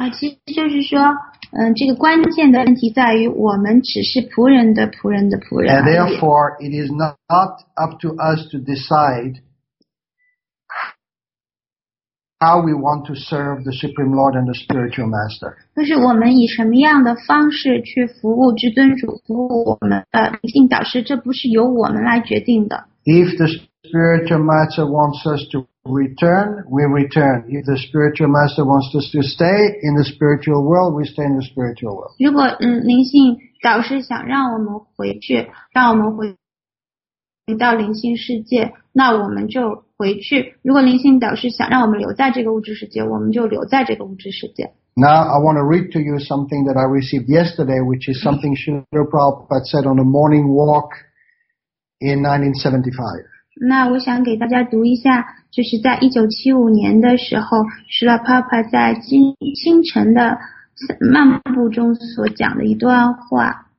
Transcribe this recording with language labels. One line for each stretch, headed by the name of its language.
Chinese: 其实就是说，这个关键的问题在于我们只是仆人的仆人的仆人而已。
English: And therefore, it is not up to us to decide how we want to serve the Supreme Lord and the Spiritual Master.
Chinese: 就是我们以什么样的方式去服务至尊主，服务我们的灵性导师，这不是由我们来决定的。
English: If the Spiritual Master wants us to return, we return. If the spiritual master wants us to stay in the spiritual world, we stay in the spiritual world.
Chinese: 如果灵性导师想让我们回去，让我们回到灵性世界，那我们就回去。如果灵性导师想让我们留在这个物质世界，我们就留在这个物质世界。
English: Now I want to read to you something that I received yesterday, which is something Srila Prabhupada said on a morning walk in 1975.
Chinese: 那我想给大家读一下。就是在1975年的时候 Srila Prabhupada 在清晨的漫步中所讲的一段话。